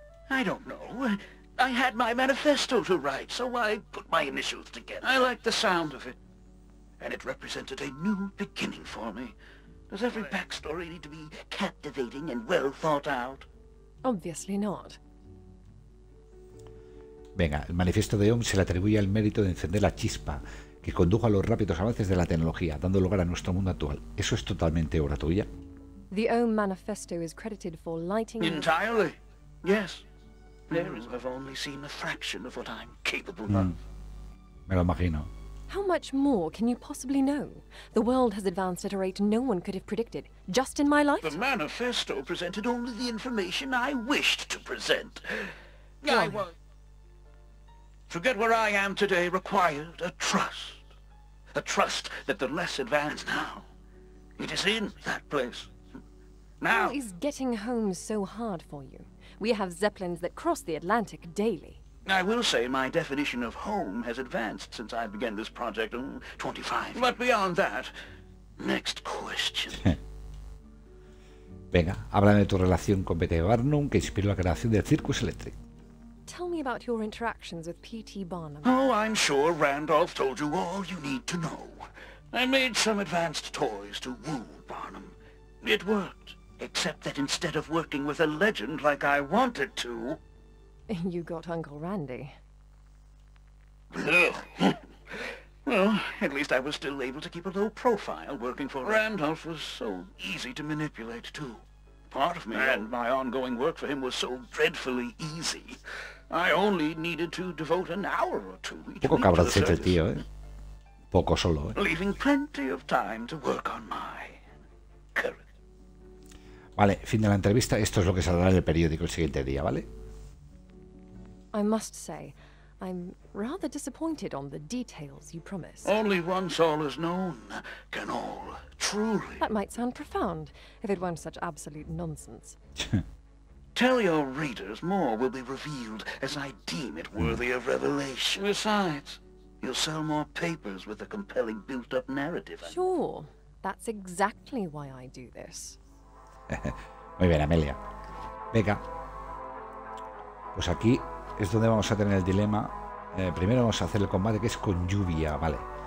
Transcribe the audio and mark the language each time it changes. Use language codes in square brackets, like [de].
[en] I don't know. I had my manifesto to write, so I put my initials together. I liked the sound of it, and it represented a new beginning for me. Does every backstory need to be captivating and well thought out? Obviously not. [es] Venga, el manifiesto de Ohm se le atribuye el mérito de encender la chispa que condujo a los rápidos avances de la tecnología, dando lugar a nuestro mundo actual. ¿Eso es totalmente obra tuya? [en] The Ohm manifesto is credited for lighting... Entirely, yes. There is, I've only seen a fraction of what I'm capable of. [es] Me lo imagino. [en] How much more can you possibly know? The world has advanced at a rate no one could have predicted, just in my life. The manifesto presented only the information I wished to present. I was... Forget where I am today required a trust. A trust that the less advanced now. It is in that place. Now... How is getting home so hard for you? We have zeppelins that cross the Atlantic daily. I will say my definition of home has advanced since I began this project in 25. But beyond that, next question. [es] Venga, háblame de tu relación con P.T. Barnum, que inspiró la creación del Circus Electric. [en] Tell me about your interactions with P.T. Barnum. Oh, I'm sure Randolph told you all you need to know. I made some advanced toys to woo Barnum. It worked. Except that instead of working with a legend like I wanted to... You got Uncle Randy. Well, at least I was still able to keep a low profile working for... Randolph was so easy to manipulate, too. Part of me and my ongoing work for him was so dreadfully easy. I only needed to devote an hour or two each week to the service. [es] Tío, ¿eh? Poco solo, ¿eh? [en] Leaving plenty of time to work on my... character. [es] Vale, fin de la entrevista. Esto es lo que saldrá en el periódico el siguiente día, ¿vale? [en] I must say, I'm rather disappointed on the details you promised. Only once all is known can all truly... That might sound profound, if it weren't such absolute nonsense. Tell your readers more will be revealed as I deem it worthy of revelation. Besides, you'll sell more papers with a compelling built-up narrative. Sure, that's exactly why I do this. [es] Muy bien, Amelia. Venga. Pues aquí es donde vamos a tener el dilema. Primero vamos a hacer el combate, que es con lluvia, vale.